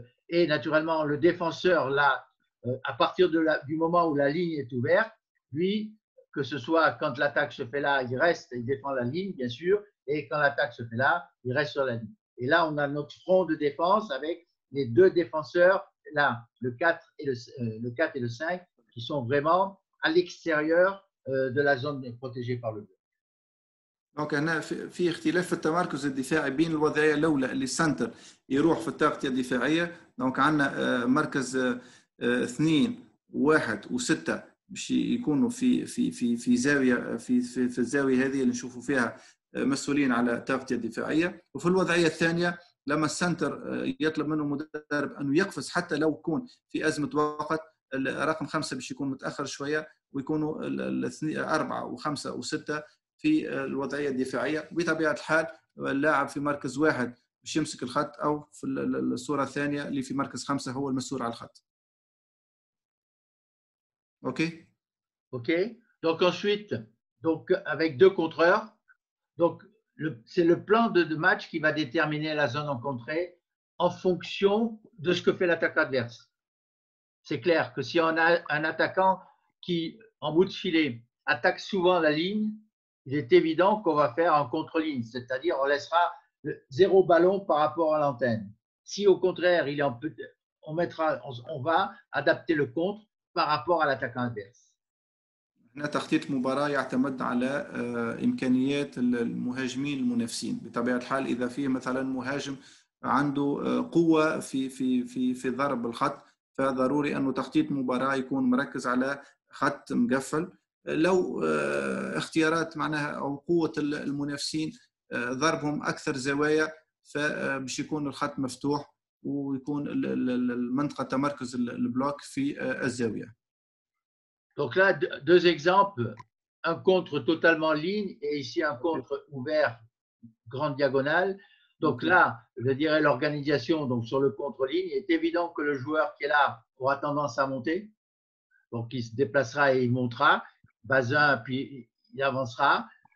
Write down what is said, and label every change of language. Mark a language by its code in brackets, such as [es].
[fr] Et naturellement, le défenseur là, à partir du moment où la ligne est ouverte, lui, que ce soit quand l'attaque se fait là, il reste, il défend la ligne, bien sûr, et quand l'attaque se fait là, il reste sur la ligne. Et là, on a notre front de défense avec les deux défenseurs, là, le 4 et le 5, qui sont vraiment à l'extérieur de la zone protégée par le bleu. [ar] دونك هنا في اختلاف في التمركز الدفاعي بين الوضعيه الاولى اللي السنتر يروح في التغطيه الدفاعيه. دونك عندنا مركز 2 1 و 6 باش يكونوا في في في في زاويه في في, في الزاويه هذه اللي نشوفوا فيها مسؤولين على التغطيه الدفاعيه. وفي الوضعيه الثانيه لما السنتر يطلب منه المدرب انه يقفز حتى لو يكون في ازمه وقت، الرقم 5 باش يكون متاخر شويه ويكونوا 4 و 5 و 6 في الوضعية الدفاعية. بطبيعة الحال اللاعب في مركز 1 باش يمسك الخط، أو في الصورة الثانية اللي في مركز 5 هو المسؤول على الخط. [en] Okay? Okay. [fr] Donc ensuite, donc avec deux contreurs, donc c'est le plan de match qui va déterminer la zone en contrée en fonction de ce que fait l'attaque adverse. C'est clair que si on a un attaquant qui, en bout de filet, attaque souvent la ligne, il est évident qu'on va faire en contre-ligne, c'est-à-dire on laissera zéro ballon par rapport à l'antenne. Si au contraire, on va adapter le contre par rapport à l'attaquant adverse. [ar] هنا تخطيط المباراة يعتمد على إمكانيات المهاجمين المنافسين. بطبيعة الحال إذا في مثلا مهاجم عنده قوة في في في في ضرب الخط، فضروري أنه تخطيط المباراة يكون مركز على خط مقفل. لو اختيارات معناها او قوه المنافسين ضربهم اكثر زوايا، فباش يكون الخط مفتوح ويكون المنطقه تمركز البلوك في الزاويه. [fr] Donc là deux exemples, un contre totalement ligne et ici un contre ouvert grande diagonale. Donc là, je dirais l'organisation donc sur le contre ligne, est évident que le joueur qui est là aura tendance à monter. Donc il se déplacera et il montera Bazin, puis il avancera.